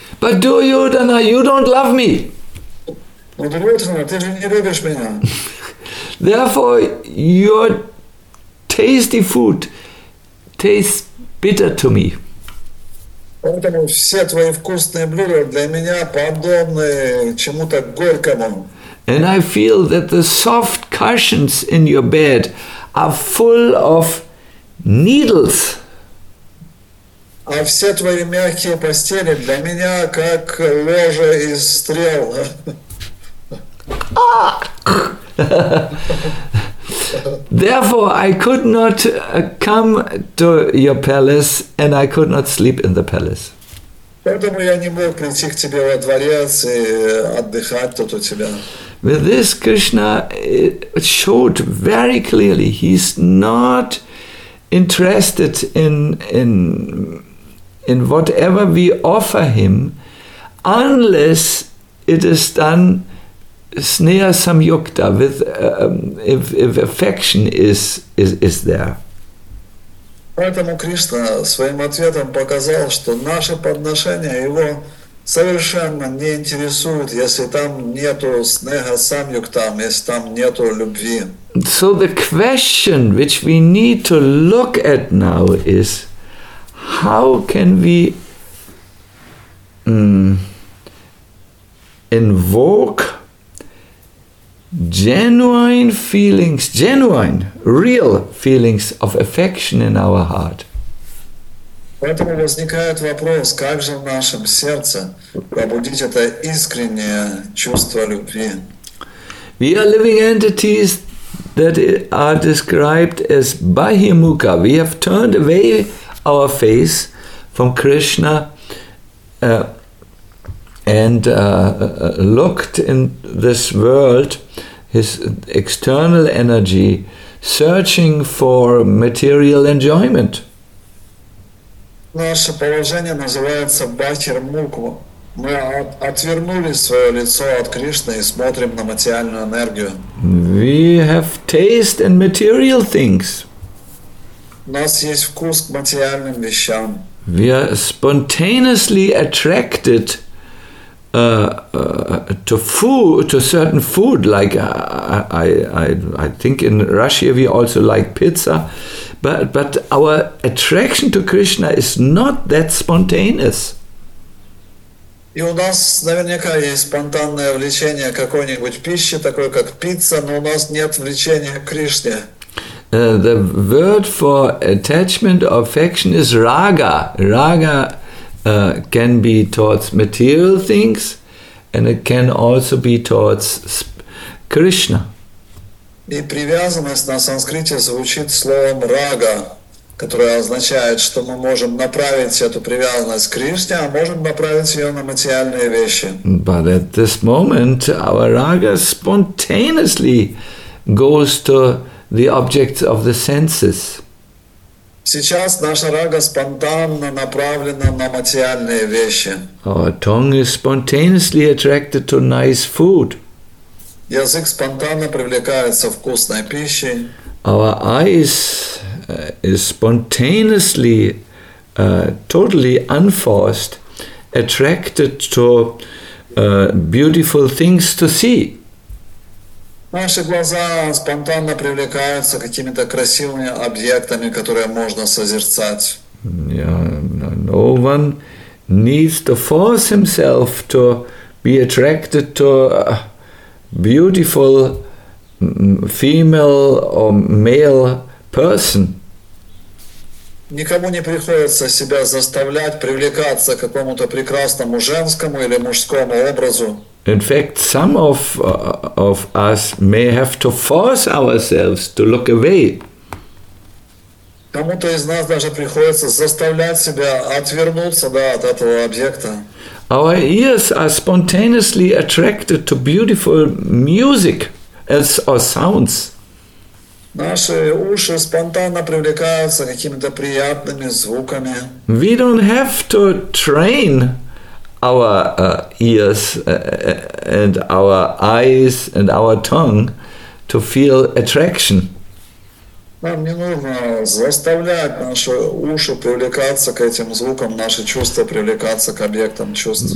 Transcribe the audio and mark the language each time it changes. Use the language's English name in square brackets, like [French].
[English] But do you, Dana, you don't love me. [Russian] Удивительно, ты же не любишь меня. [English] Therefore, your tasty food tastes bitter to me. [Russian] Поэтому все твои вкусные блюда для меня подобны чему-то горькому. [English] And I feel that the soft cushions in your bed are full of needles. [Russian] А все твои мягкие постели для меня как ложе из стрел. [English] Therefore, I could not come to your palace, and I could not sleep in the palace. [Russian] Поэтому я не мог прийти к тебе во дворец и отдыхать тут у тебя. [English] With this, Krishna showed very clearly he's not interested in whatever we offer him, unless it is done. [Sanskrit] Sneha samyukta, [English] with if affection is there. [Russian] Поэтому Кришна своим ответом показал, что наше подношение его совершенно не интересует, если там нету [Sanskrit] снега самьюкта, [Russian] если там нету любви. [English] So the question which we need to look at now is, how can we invoke genuine feelings, genuine, real feelings of affection in our heart. [Russian] Поэтому возникает вопрос, как же в нашем сердце пробудить это искреннее чувство любви? [English] We are living entities that are described as Bahimukha. We have turned away our face from Krishna and looked in this world, his external energy, searching for material enjoyment. [Russian] Наше положение называется Бахир-муку. Мы отвернули свое лицо от Кришны и смотрим на материальную энергию. [English] We have taste in material things. [Russian] У нас есть вкус к материальным вещам. [English] We are spontaneously attracted to food, to certain food, like I think in Russia we also like pizza, but our attraction to Krishna is not that spontaneous. [Russian] И у нас наверняка есть спонтанное влечение какой-нибудь пищи, такой как пицца, но у нас нет влечения к Кришне. [English] The word for attachment or affection is raga. Raga can be towards material things, and it can also be towards Krishna. [Russian] И привязанность на санскрите звучит словом рага, которое означает, что мы можем направить эту привязанность к Кришне, а можем направить ее на материальные вещи. [English] But at this moment, our raga spontaneously goes to the objects of the senses. [Russian] Сейчас наша рага спонтанно направлена на материальные вещи. [English] Our tongue is spontaneously attracted to nice food. [Russian] Язык спонтанно привлекается вкусной пищей. [English] Our eyes is spontaneously, totally unforced, attracted to beautiful things to see. [Russian] Наши глаза спонтанно привлекаются какими-то красивыми объектами, которые можно созерцать. [English] Yeah, no one needs to force himself to be attracted to beautiful female or male person. [Russian] Никому не приходится себя заставлять привлекаться к какому-то прекрасному женскому или мужскому образу. [English] In fact, some of us may have to force ourselves to look away. [Russian] Кому-то из нас даже приходится заставлять себя отвернуться, да, от этого объекта. [English] Our ears are spontaneously attracted to beautiful music or sounds. [Russian] Наши уши спонтанно привлекаются какими-то приятными звуками. [English] We don't have to train our ears and our eyes and our tongue to feel attraction. [Russian] Нам не нужно заставлять наши уши привлекаться к этим звукам, наши чувства привлекаться к объектам чувств.